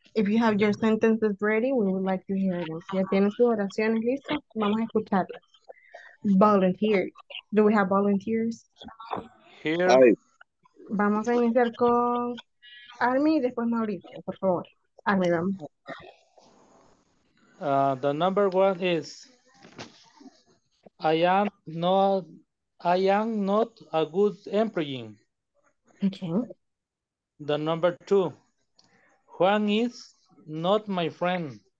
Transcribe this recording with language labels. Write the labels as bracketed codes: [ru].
[en] If you have your sentences ready, we would like to hear them. [es] Si ya tienen sus oraciones listas, vamos a escucharlas. [en] Volunteer. Do we have volunteers? Here. Hi. [es] Vamos a iniciar con Armie y después Mauricio, por favor. Armie, vamos. [en] The number one is, I am not a good employee. Okay. The number two, Juan is not my friend.